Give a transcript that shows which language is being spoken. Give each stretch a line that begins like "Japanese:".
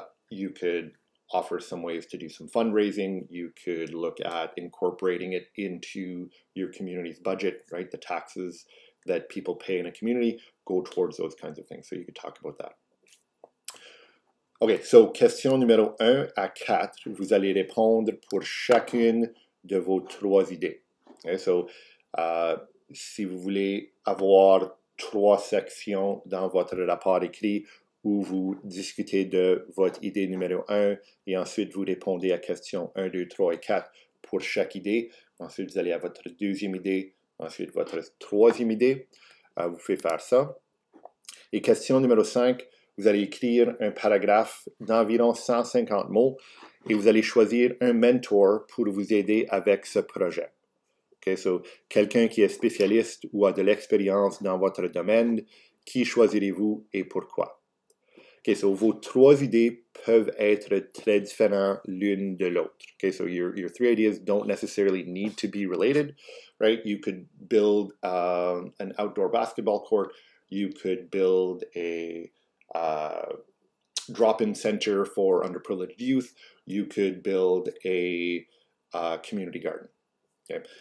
English: You could offer some ways to do some fundraising. You could look at incorporating it into your community's budget, right? The taxes that people pay in a community go towards those kinds of things. So you could talk about that.
French: Okay, so question numéro 1 à 4, vous allez répondre pour chacune de vos trois idées. Okay, so si vous voulez avoir trois sections dans votre rapport écrit où vous discutez de votre idée numéro 1 et ensuite vous répondez à question 1, 2, 3 et 4 pour chaque idée, ensuite vous allez à votre deuxième idée. Ensuite, votre troisième idée, vous faites faire ça. Et question numéro 5, vous allez écrire un paragraphe d'environ 150 mots et vous allez choisir un mentor pour vous aider avec ce projet. Okay, so quelqu'un qui est spécialiste ou a de l'expérience dans votre domaine, qui choisirez-vous et pourquoi? Okay, so vos trois idées peuvent être très différentes l'une de l'autre.
English: Okay, so your three ideas don't necessarily need to be related, right? You could build an outdoor basketball court. You could build a drop-in center for underprivileged youth. You could build a community garden. Okay.